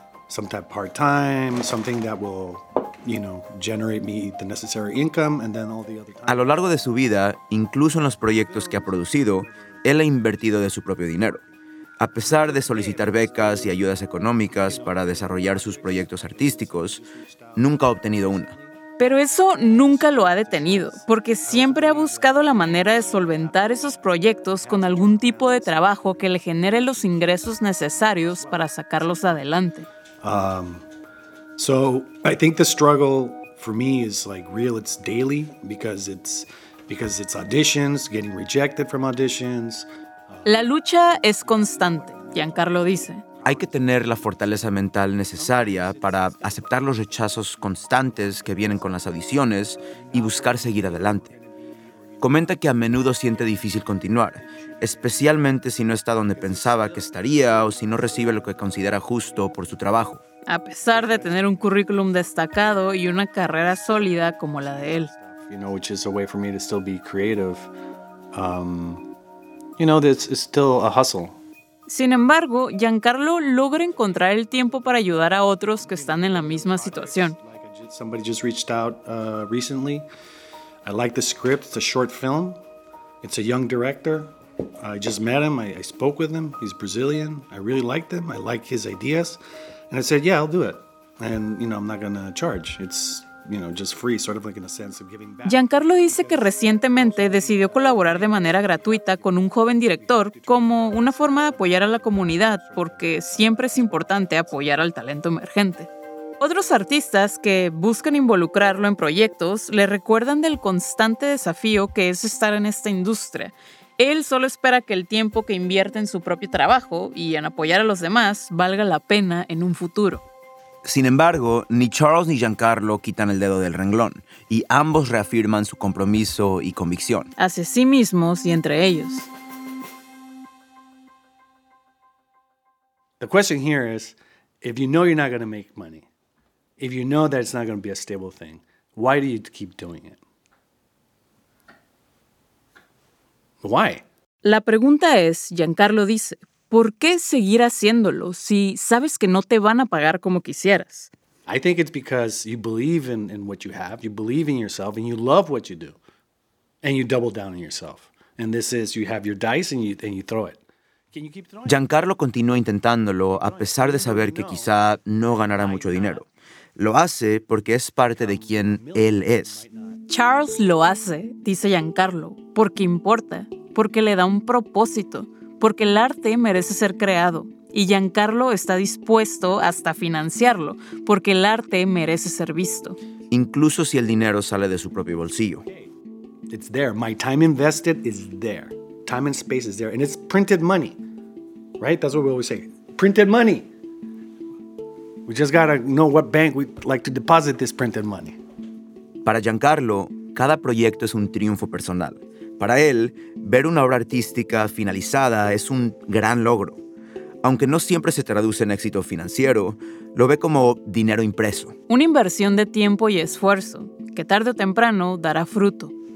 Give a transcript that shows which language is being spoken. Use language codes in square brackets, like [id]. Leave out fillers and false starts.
[en] Some type part-time, something that will, you know, generate me the necessary income, and then all the other time. [es] A lo largo de su vida, incluso en los proyectos que ha producido, él ha invertido de su propio dinero. A pesar de solicitar becas y ayudas económicas para desarrollar sus proyectos artísticos, nunca ha obtenido una. Pero eso nunca lo ha detenido, porque siempre ha buscado la manera de solventar esos proyectos con algún tipo de trabajo que le genere los ingresos necesarios para sacarlos adelante. [en] So I think the struggle for me is like real. It's daily because it's auditions, getting rejected from auditions. [es] La lucha es constante, Giancarlo dice. Hay que tener la fortaleza mental necesaria para aceptar los rechazos constantes que vienen con las audiciones y buscar seguir adelante. Comenta que a menudo siente difícil continuar, especialmente si no está donde pensaba que estaría o si no recibe lo que considera justo por su trabajo. A pesar de tener un currículum destacado y una carrera sólida como la de él. [en] You know, which is a way for me to still be creative. You know, this is still a hustle. [es] Sin embargo, Giancarlo logra encontrar el tiempo para ayudar a otros que están en la misma situación. [en] Somebody just reached out recently. I like the script. It's a short film. It's a young director. I just met him. I spoke with him. He's Brazilian. I really liked him. I like his ideas. And I said, yeah, I'll do it. And, you know, I'm not going to charge. It's, you know, just free, sort of like in a sense of giving back. [es] Giancarlo dice que recientemente decidió colaborar de manera gratuita con un joven director como una forma de apoyar a la comunidad, porque siempre es importante apoyar al talento emergente. Otros artistas que buscan involucrarlo en proyectos le recuerdan del constante desafío que es estar en esta industria. Él solo espera que el tiempo que invierte en su propio trabajo y en apoyar a los demás valga la pena en un futuro. Sin embargo, ni Charles ni Giancarlo quitan el dedo del renglón y ambos reafirman su compromiso y convicción. Hacia sí mismos y entre ellos. [en] The question here is, if you know you're not going to make money, if you know that it's not going to be a stable thing, why do you keep doing it? Why? [es] La pregunta es, Giancarlo dice, ¿por qué seguir haciéndolo si sabes que no te van a pagar como quisieras? [en] I think it's because you believe in what you have, you believe in yourself, and you love what you do, and you double down on yourself. And this is, you have your dice and you throw it. Can you keep throwing? [es] Giancarlo continúa intentándolo a pesar de saber que quizá no ganará mucho dinero. Lo hace porque es parte de quien él es. Charles lo hace, dice Giancarlo, porque importa, porque le da un propósito, porque el arte merece ser creado. Y Giancarlo está dispuesto hasta financiarlo, porque el arte merece ser visto. Incluso si el dinero sale de su propio bolsillo. [en] It's there. My time invested is there. Time and space is there. And it's printed money. Right? That's what we always say. Printed money. We just gotta know what bank we'd like to deposit this printed money. [es] Para Giancarlo, cada proyecto es un triunfo personal. Para él, ver una obra artística finalizada es un gran logro. Aunque no siempre se traduce en éxito financiero, lo ve como dinero impreso. Una inversión de tiempo y esfuerzo, que tarde o temprano dará fruto.